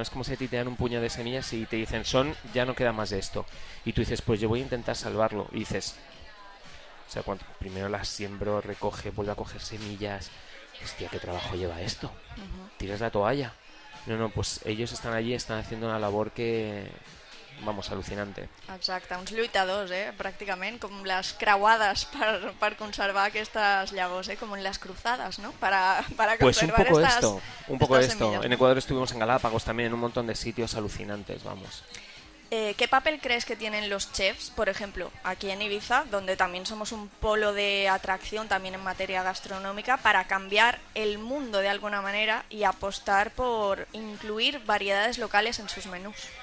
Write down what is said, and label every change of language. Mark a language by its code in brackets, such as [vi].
[es] No es como si te dan un puño de semillas y te dicen son, ya no queda más de esto, y tú dices pues yo voy a intentar salvarlo, y dices, o sea, cuando primero las siembro, recoge, vuelve a coger semillas, hostia, qué trabajo lleva esto. Uh-huh. Tiras la toalla. No, pues ellos están allí, están haciendo una labor que, vamos, alucinante. [ca] Exacte, uns lluitadors, pràcticament, com les creuades per conservar aquestes llavors, com en les cruzades, no? [es] Para conservar estas. Pues un poco esto, un poco esto. En Ecuador estuvimos en Galápagos también, en un montón de sitios alucinantes, vamos. ¿Qué papel crees que tienen los chefs, por ejemplo, aquí en Ibiza, donde también somos un polo de atracción también en materia gastronómica, para cambiar el mundo de alguna manera y apostar por incluir variedades locales en sus menús?